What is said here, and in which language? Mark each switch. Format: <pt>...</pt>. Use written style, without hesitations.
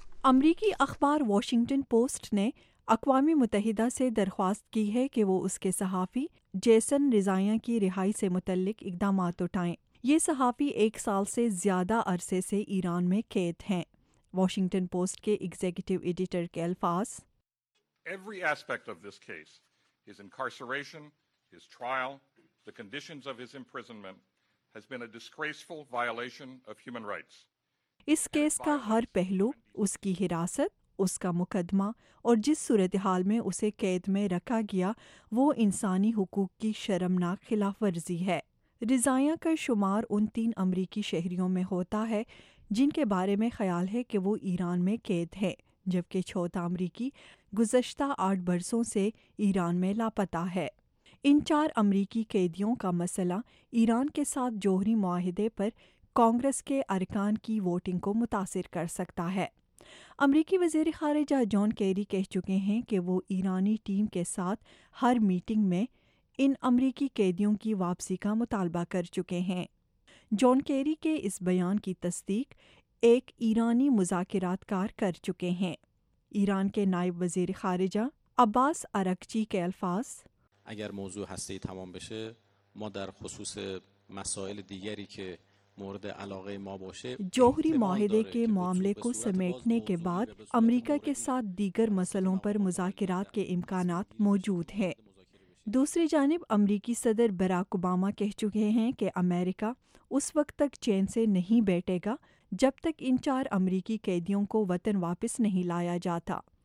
<ur>امریکی اخبار Washington post نے اقوام متحدہ سے درخواست کی ہے کہ وہ اس کے صحافی جیسن رضائیہ کی رہائی سے متعلق اقدامات اٹھائیں. یہ صحافی 1 سال سے زیادہ عرصے سے ایران میں قید ہیں. واشنگٹن پوسٹ کے ایگزیکٹو ایڈیٹر کے الفاظ،</ur> <en>Every aspect of this case, his incarceration, his trial, the conditions of his imprisonment has been a disgraceful violation of human rights.</en> <ur>اس case کا ہر پہلو، اس کی حراست، اس کا مقدمہ اور جس صورتحال میں اسے قید میں رکھا گیا وہ انسانی حقوق کی شرمناک خلاف ورزی ہے. رضائیہ کا شمار ان 3 امریکی شہریوں میں ہوتا ہے جن کے بارے میں خیال ہے کہ وہ ایران میں قید ہیں، جبکہ 4 امریکی گزشتہ 8 برسوں سے ایران میں لاپتہ ہے. ان 4 امریکی قیدیوں کا مسئلہ ایران کے ساتھ جوہری معاہدے پر کانگریس کے ارکان کی ووٹنگ کو متاثر کر سکتا ہے. امریکی وزیر خارجہ جان کیری کہہ چکے ہیں کہ وہ ایرانی ٹیم کے ساتھ ہر میٹنگ میں ان امریکی قیدیوں کی واپسی کا مطالبہ کر چکے ہیں. جان کیری کے اس بیان کی تصدیق ایک ایرانی مذاکرات کار کر چکے ہیں. ایران کے نائب وزیر خارجہ عباس عرقچی کے الفاظ،</ur> <fa>اگر موضوع هسته‌ای تمام بشه ما در خصوص مسائل دیگری که مورد علاقه ما باشه،</fa> <ur>جوہری معاہدے کے معاملے کو سمیٹنے کے بعد امریکہ کے ساتھ دیگر مسئلوں پر مذاکرات کے امکانات موجود ہیں. دوسری جانب امریکی صدر باراک اوباما کہہ چکے ہیں کہ امریکہ اس وقت تک چین سے نہیں بیٹھے گا جب تک ان 4 امریکی قیدیوں کو وطن واپس نہیں لایا جاتا.</ur>